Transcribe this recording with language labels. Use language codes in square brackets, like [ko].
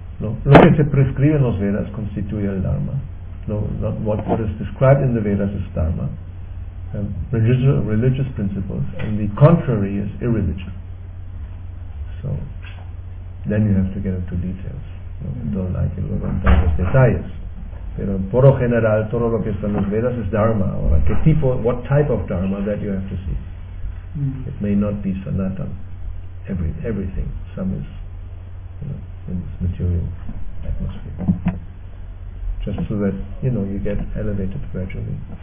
[es] Lo que se prescribe en los Vedas constituye el Dharma. [en] What is described in the Vedas is Dharma. Religious principles. And the contrary is irreligion. So, then you have to get into details. [es] No hay que luego entrar en los detalles, pero en poro general todo lo que está en los Vedas es Dharma. Ahora, ¿qué tipo, [en] what type of Dharma, that you have to see? It may not be Sanatana, everything, some is, you know, in this material atmosphere, just so that, you know, you get elevated gradually.